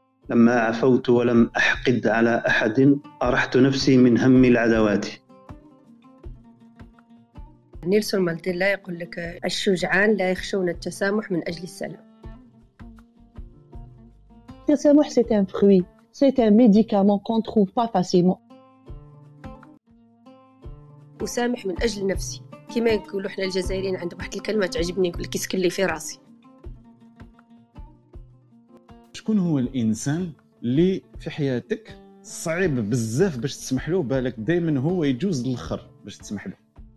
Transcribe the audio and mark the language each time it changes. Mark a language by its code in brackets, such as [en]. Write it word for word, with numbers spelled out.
[ar] لما عفوت ولم أحقد على أحد أرحت نفسي من هم العداوات. نيلسون مانديلا يقول لك الشجعان لا يخشون التسامح من أجل السلام. [fr] Le تسامح c'est un fruit, c'est un médicament qu'on trouve pas facilement. [ar] أسامح من أجل نفسي كما يقولوا إحنا الجزائريين عند واحد الكلمة تعجبني يقول لك يسكن لي في راسي. شكون هو الإنسان اللي في حياتك صعيب بزاف باش تسمح له بالك دايما هو يجوز للخر باش تسمح له؟